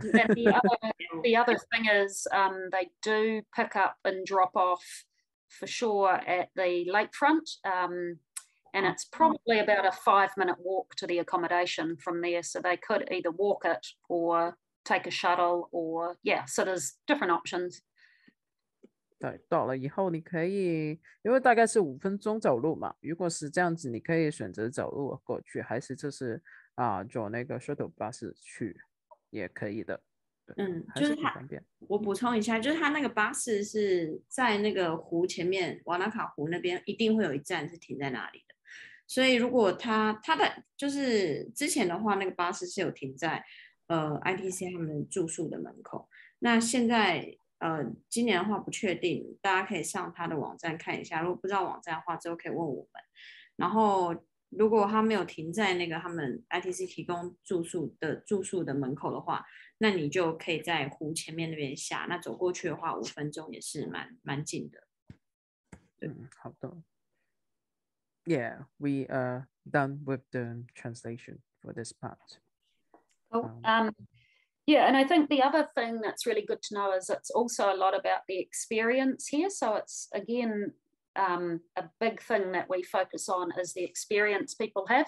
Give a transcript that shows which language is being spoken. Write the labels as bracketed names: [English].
[English] And the other thing is, they do pick up and drop off for sure at the lakefront, and it's probably about a 5-minute walk to the accommodation from there, so they could either walk it or take a shuttle, or yeah, so there's different options. [Chinese] 对，到了以后你可以，因为大概是5分钟走路嘛，如果是这样子，你可以选择走路过去，还是就是坐那个 shuttle bus 去也可以的。嗯，就是他，我补充一下，就是他那个巴士是在那个湖前面，瓦纳卡湖那边一定会有一站是停在那里的，所以如果他的就是之前的话，那个巴士是有停在ITC 他们住宿的门口，那现在今年的话不确定，大家可以上他的网站看一下，如果不知道网站的话之后可以问我们。然后如果他没有停在那个他们 ITC 提供住宿的门口的话，那你就可以在湖前面那边下，那走过去的话5分钟也是蛮近的。好的。 [English] Yeah, we are done with the translation for this part. Yeah, and I think the other thing that's really good to know is it's also a lot about the experience here. So it's again, a big thing that we focus on is the experience people have.